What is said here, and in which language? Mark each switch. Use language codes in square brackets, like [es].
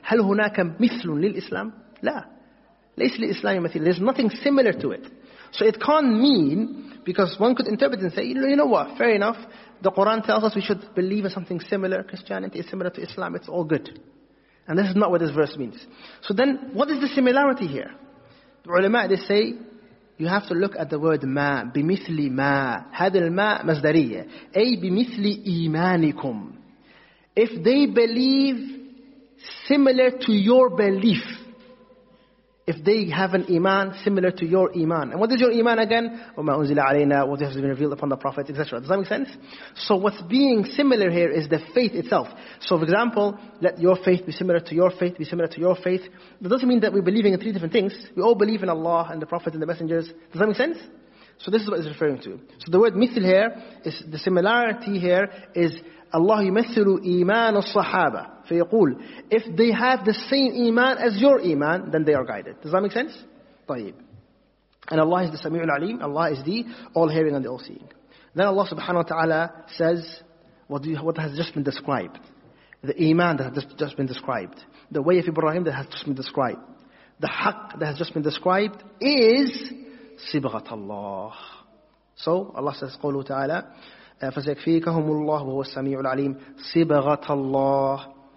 [ar] هل هناك مثل للإسلام? لا. ليس للإسلام مثيل. [en] There's nothing similar to it. So it can't mean, because one could interpret and say, you know what, fair enough, the Quran tells us we should believe in something similar, Christianity is similar to Islam, it's all good. And this is not what this verse means. So then, what is the similarity here? The ulama, they say, you have to look at the word ما, [ar] بمثل ما, هذا الما مصدرية, أي بمثل إيمانكم. [en] If they believe similar to your belief, if they have an iman similar to your iman, and what is your iman again? [ar] وما أنزل علينا, [en] what has been revealed upon the Prophet, etc. Does that make sense? So what's being similar here is the faith itself. So for example, let your faith be similar to your faith, be similar to your faith. That doesn't mean that we're believing in three different things. We all believe in Allah and the Prophet and the messengers. Does that make sense? So this is what it's referring to. So the word مثل here, is the similarity here is Allah [ar] يمثل إيمان الصحابة فيقول, [en] if they have the same iman as your iman, then they are guided. Does that make sense? [ar] طيب. [en] And Allah is the سميع العليم. Allah is the all-hearing and the all-seeing. Then Allah subhanahu wa ta'ala says, what has just been described. The iman that has just been described. The way of Ibrahim that has just been described. The haqq that has just been described is صبغة الله. So Allah says, [ar] قوله تعالى, فسيكفيكهم الله وهو السميع العليم صبغة الله.